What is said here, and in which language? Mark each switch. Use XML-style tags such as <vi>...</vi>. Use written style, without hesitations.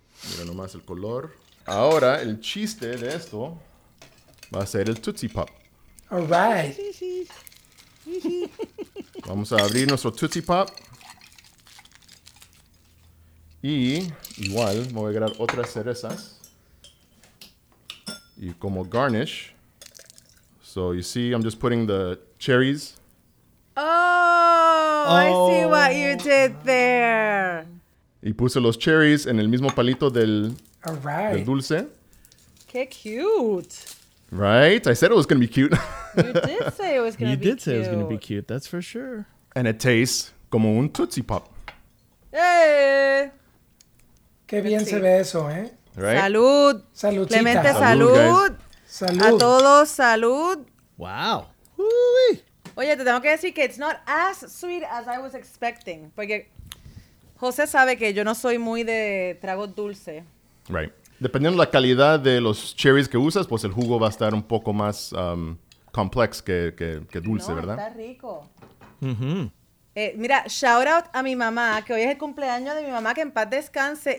<es>Mira nomás el color. Ahora, el chiste de esto. Va a ser el Tootsie Pop.</es> <en>All right.</en> <es>Vamos a abrir nuestro Tootsie Pop. Y igual, me voy a agregar otras cerezas. Y como garnish.</es> <en>So you see, I'm just putting the cherries. Oh, I see what you did there.</en> <es>Y puse los cherries en el mismo palito del dulce. Qué cute.</es> <en>Right? I said it was going to be cute. You did say it was going to be cute. You did say it was going to be cute. That's for sure. And it tastes</en> <es>como un Tootsie Pop. ¡Eh! Qué bien</es> <en>Let's se see.</en> <es>Ve eso, ¿eh?</es> <en>Right?</en> <es>¡Salud! ¡Saludita! Clemente, salud. ¡Salud! ¡A todos, salud! ¡Wow! Uy. Oye, te tengo que decir que</es> <en>it's not as sweet as I was expecting.</en> <es>Porque José sabe que yo no soy muy de trago dulce.</es> <en>Right.</en> <es>Dependiendo de la calidad de los cherries que usas, pues el jugo va a estar un poco más complex que dulce, no, ¿verdad? Está rico. Mm-hmm. Mira, shout out a mi mamá, que hoy es el cumpleaños de mi mamá, que en paz descanse.</es>